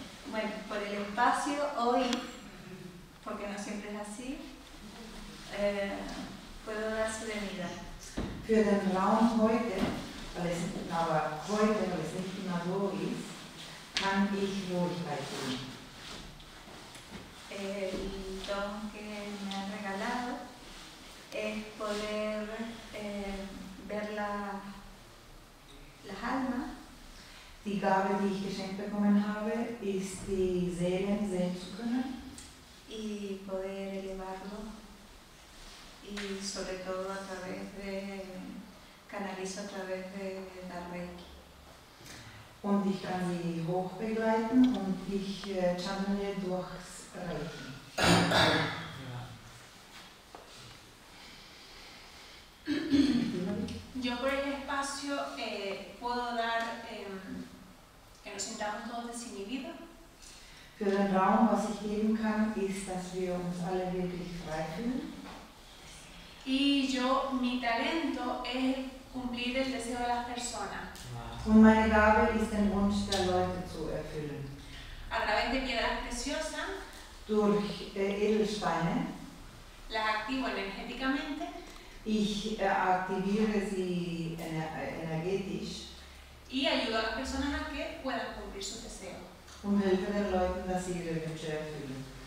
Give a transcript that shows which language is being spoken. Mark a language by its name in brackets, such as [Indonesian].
[Spanish] Bueno, por el espacio hoy, porque no siempre es así, puedo dar serenidad. [German] Für den Raum heute, weil es aber heute, weil es nicht immer so ist, kann ich Ruhigkeit geben. [Spanish] El don que me han regalado es poder ver las almas. [German] Die Gabe, die ich geschenkt bekommen habe, ist die Seelen sehen zu können. [Spanish] Y poder elevarlo. Y sobre todo a través de canalizo a través de dar Reiki. [German] Und ich kann sie hoch begleiten und ich channele durchs Reiki. [Spanish] Yo por el espacio puedo dar que nos sintamos todos desinhibidos. [German] Für den Raum, was ich geben kann, ist, dass wir uns alle wirklich frei fühlen. [Spanish] Y yo, mi talento es cumplir el deseo de las personas. [German] Und meine Gabe ist, den Wunsch der Leute zu erfüllen. [Spanish] A través de piedras preciosas. [German] Durch Edelsteine. [Spanish] Las activo energéticamente. [German] Ich aktiviere sie energetisch. [Spanish] Y ayuda a las personas a que puedan cumplir sus deseos. [German] Und helfe den Leuten, dass sie ihre Wünsche erfüllen.